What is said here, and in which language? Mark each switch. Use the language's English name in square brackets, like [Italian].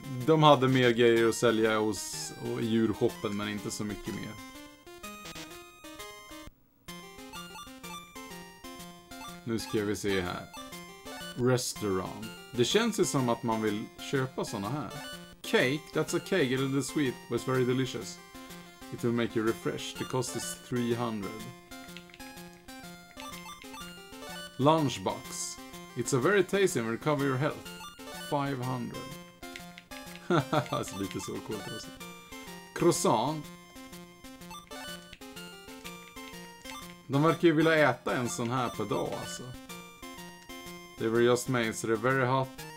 [Swedish] de hade mer grejer att sälja hos i djurshoppen, men inte så mycket mer. Nu ska vi se här. Restaurant. Det känns ju som att man vill köpa såna här. [English] Cake, that's a cake, a little sweet, but it's very delicious. It will make you refresh. The cost is 300. Lunchbox. It's a very tasty and recover your health. 500. [Swedish] Alltså lite så coolt också. Croissant. De verkar ju vilja äta en sån här per dag alltså. [English] They were just made, so they're very hot.